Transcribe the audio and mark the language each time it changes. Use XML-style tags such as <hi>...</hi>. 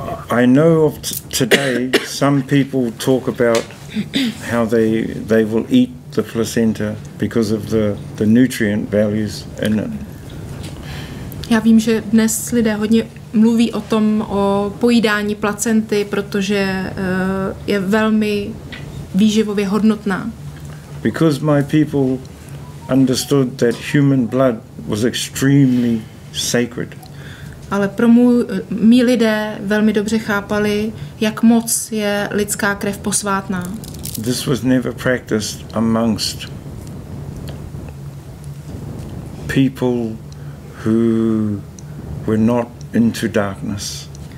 <en>I know of today some people talk about how they will eat the placenta because of the nutrient values in it.</en> <cs>Já vím, že dnes lidé hodně mluví o tom, o pojídání placenty, protože je velmi výživově hodnotná.</cs> <en>Because my people understood that human blood was extremely sacred.</en> <cs>Ale pro mý lidé velmi dobře chápali, jak moc je lidská krev posvátná.</cs> <en>This was never practiced amongst people who were not into darkness.</en>